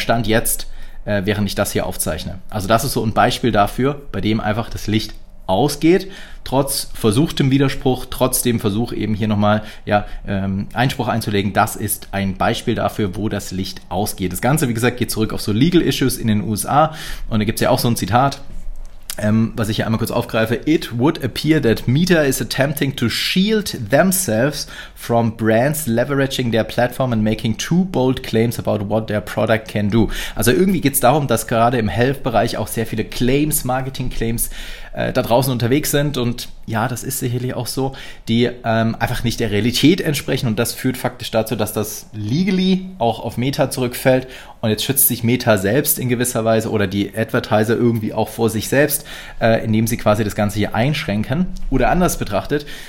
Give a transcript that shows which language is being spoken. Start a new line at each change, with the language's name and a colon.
German: Stand jetzt, während ich das hier aufzeichne. Also das ist so ein Beispiel dafür, bei dem einfach das Licht ausgeht, trotz versuchtem Widerspruch, trotz dem Versuch eben hier nochmal Einspruch einzulegen. Das ist ein Beispiel dafür, wo das Licht ausgeht. Das Ganze, wie gesagt, geht zurück auf so Legal Issues in den USA und da gibt es ja auch so ein Zitat, was ich hier einmal kurz aufgreife.
English: It would appear that Meta is attempting to shield themselves from brands leveraging their platform and making too bold claims about what their product can do.
German: Also irgendwie geht es darum, dass gerade im Health-Bereich auch sehr viele Claims, Marketing-Claims da draußen unterwegs sind und das ist sicherlich auch so, die einfach nicht der Realität entsprechen und das führt faktisch dazu, dass das legally auch auf Meta zurückfällt und jetzt schützt sich Meta selbst in gewisser Weise oder die Advertiser irgendwie auch vor sich selbst, indem sie quasi das Ganze hier einschränken oder anders betrachtet.